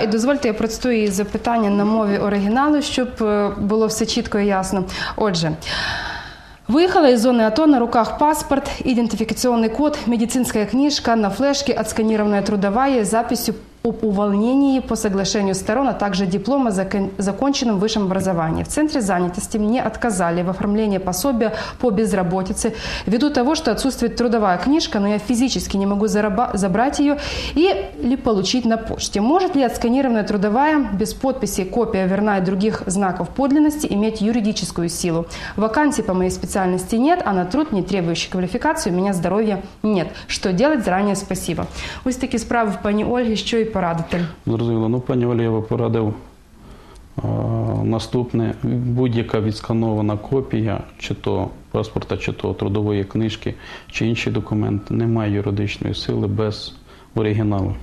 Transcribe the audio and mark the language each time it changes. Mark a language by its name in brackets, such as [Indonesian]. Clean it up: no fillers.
[Ukrainian] І дозвольте, я процитую її запитання на мові оригіналу, щоб було все чітко і ясно. Отже, виїхала із зони АТО, на руках паспорт, ідентифікаційний код, [Russian] медицинська книжка, на флешки, отсканірована трудова є записю об увольненні по соглашению сторон, а также диплома о законченном высшем образовании. В центре занятости мне отказали в оформлении пособия по безработице ввиду того, что отсутствует трудовая книжка, но я физически не могу забрать ее или получить на почте. Может ли отсканированная трудовая без подписи, копия верна и других знаков подлинности иметь юридическую силу? Вакансий по моей специальности нет, а на труд, не требующий квалификации, у меня здоровья нет. Что делать? Заранее спасибо. [Ukrainian] Ось такі справи в пані Ольги, що порадити. Зрозуміло. Ну, пані Олі, я би порадив наступне. Будь-яка відсканована копія, чи то паспорта, чи то трудової книжки, чи інший документ, не має юридичної сили без оригіналу.